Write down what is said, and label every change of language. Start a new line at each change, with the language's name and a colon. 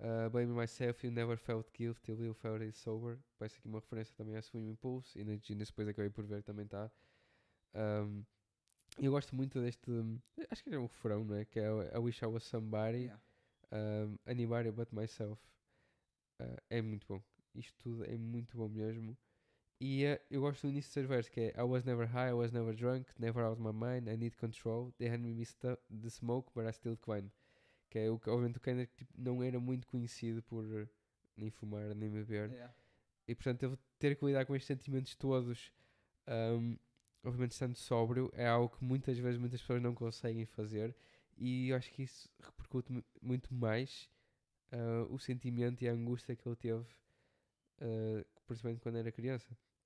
English: Blame myself, you never felt guilty till you felt it sober.
Portuguese: Parece aqui uma referência também a Swim Impulse, e depois acabei por ver também está. Eu gosto muito deste, acho que é um refrão, não é? Que é
English: I wish I was somebody, anybody but myself.
Portuguese: É muito bom. Isto tudo é muito bom mesmo. E eu gosto do início do verso, que é
English: I was never high, I was never drunk, never out of my mind, I need control, they hand me the smoke, but I still can't.
Portuguese: Que é o que, obviamente, o Kendrick, tipo, não era muito conhecido por nem fumar nem beber, e portanto teve ter que lidar com estes sentimentos todos, obviamente estando sóbrio, é algo que muitas vezes muitas pessoas não conseguem fazer, e eu acho que isso repercute muito mais o sentimento e a angústia que ele teve, principalmente quando era criança.